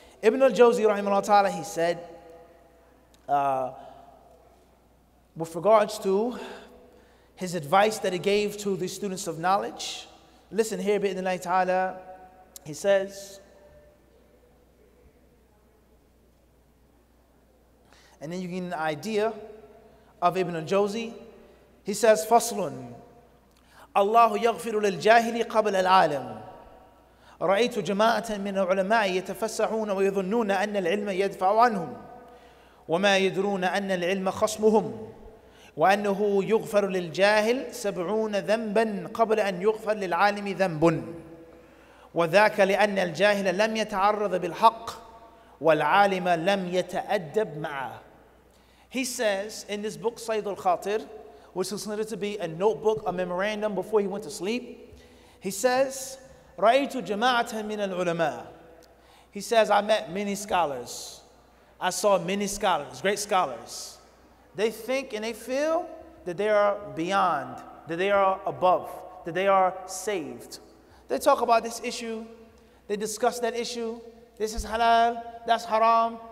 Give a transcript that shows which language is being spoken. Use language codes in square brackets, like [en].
[en] Ibn al-Jawzi, rahimahullah ta'ala, he said, with regards to his advice that he gave to the students of knowledge, listen here, bidin Allah ta'ala, he says, and then you get an idea of Ibn al-Jawzi. He says, Faslun. [ar] الله يغفر للجاهل قبل العالم رأيت جماعة من العلماء يتفسحون ويظنون أن العلم يدفع عنهم وما يدرون أن العلم خصمهم وأنه يغفر للجاهل 70 ذنبا قبل أن يغفر للعالم ذنب وذاك لأن الجاهل لم يتعرض بالحق والعالم لم يتأدب معه. [en] He says in this book صيد الخاطر, which is considered to be a notebook, a memorandum before he went to sleep. He says, [ar] رَأَيْتُ جَمَاعَةً مِنَ الْعُلَمَاءِ. [en] He says, I met many scholars. I saw many scholars, great scholars. They think and they feel that they are beyond, that they are above, that they are saved. They talk about this issue. They discuss that issue. This is halal, that's haram.